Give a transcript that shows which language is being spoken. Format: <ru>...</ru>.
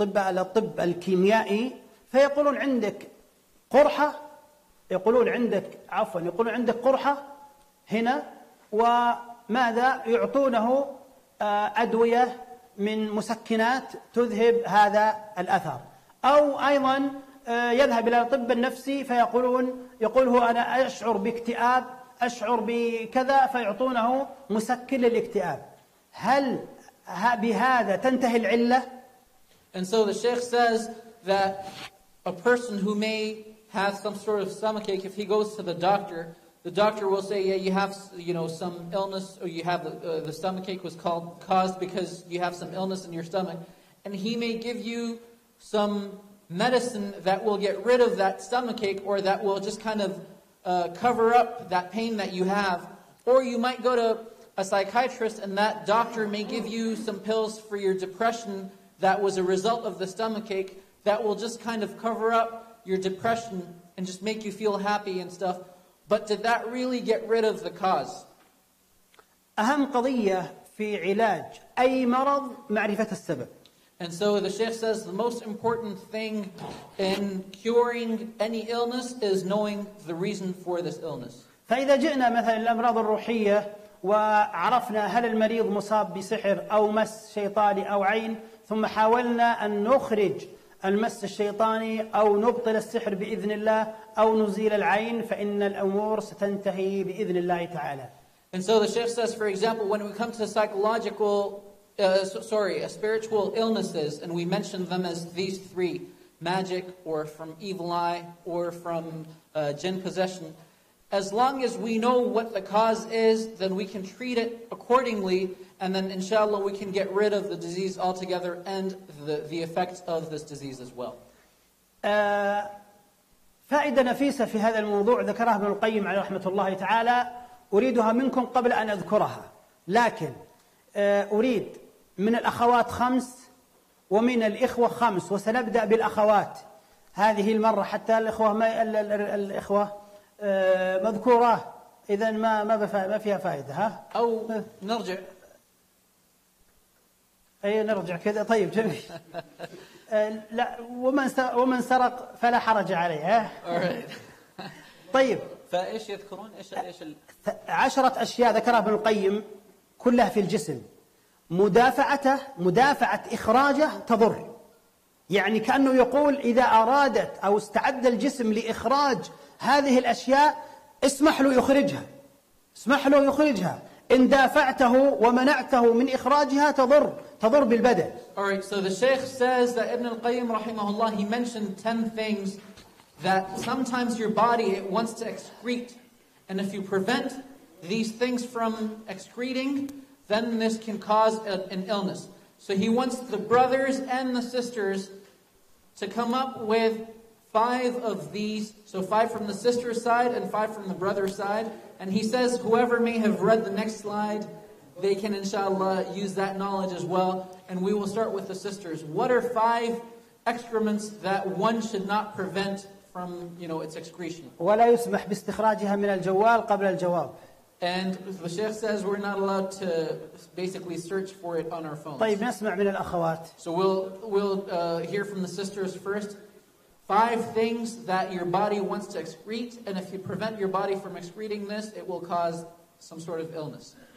<ar>الطب الكيميائي فيقولون عندك قرحة، يقولون عندك قرحة هنا، وماذا يعطونه أدوية من مسكنات تذهب هذا الأثر، أو أيضا يذهب إلى الطب النفسي فيقولون يقوله أنا أشعر باكتئاب، أشعر بكذا، فيعطونه مسكن للاكتئاب. هل بهذا تنتهي العلة؟</ar> <en>And so the Sheikh says that a person who may have some sort of stomachache, if he goes to the doctor will say, yeah, you have, you know, some illness, or you have the stomachache was caused because you have some illness in your stomach, and he may give you some medicine that will get rid of that stomachache, or that will just kind of cover up that pain that you have. Or you might go to a psychiatrist, and that doctor may give you some pills for your depression that was a result of the stomachache that will just kind of cover up your depression and just make you feel happy and stuff. But did that really get rid of the cause?</en> <ar>أهم قضية في علاج أي مرض معرفة السبب.</ar> <en>And so the Sheikh says the most important thing in curing any illness is knowing the reason for this illness.</en> <ar>فإذا جئنا مثلا الأمراض الروحية وعرفنا هل المريض مصاب بسحر أو مس شيطاني أو عين، ثم حاولنا أن نخرج المس الشيطاني أو نبطل السحر بإذن الله أو نزيل العين، فإن الأمور ستنتهي بإذن الله تعالى.</ar> <en>And so the Sheikh says, for example, when we come to psychological spiritual illnesses, and we mention them as these three, magic, or from evil eye, or from jinn possession, as long as we know what the cause is, then we can treat it accordingly, and then inshallah we can get rid of the disease altogether and the effects of this disease as well.</en> <ar>فائدة نفيسة في هذا الموضوع ذكرها ابن القيم عليه رحمة الله تعالى، أريدها منكم قبل أن أذكرها، لكن أريد من الأخوات خمس ومن الإخوة خمس، وسنبدأ بالأخوات هذه المرة حتى الإخوة ما الإخوة مذكورة، إذن ما فيها فائدة. ها أو نرجع أي نرجع كذا. طيب جميل. لا، ومن سرق فلا حرج عليه. ها طيب، فإيش يذكرون؟ إيش عشرة أشياء ذكرها ابن القيم كلها في الجسم، مدافعته، مدافعة إخراجه تضر، يعني كأنه يقول إذا أرادت أو استعد الجسم لإخراج هذه الأشياء اسمح له يخرجها، اسمح له يخرجها، إن دافعته ومنعته من إخراجها تضر بالبدن.</ar> <en>Alright, so the Sheikh says that Ibn al-Qayyim rahimahullah, he mentioned 10 things that sometimes your body it wants to excrete, and if you prevent these things from excreting, then this can cause an illness. So he wants the brothers and the sisters to come up with 5 of these. So 5 from the sister's side and 5 from the brother's side. And he says, whoever may have read the next slide, they can, inshallah, use that knowledge as well. And we will start with the sisters. What are five excrements that one should not prevent from, you know, its excretion?</en> <ar>ولا يسمح باستخراجها من الجوال قبل الجواب.</ar> <en>And the Sheikh says we're not allowed to basically search for it on our phones. So we'll hear from the sisters first. Five things that your body wants to excrete, and if you prevent your body from excreting this, it will cause some sort of illness.</en>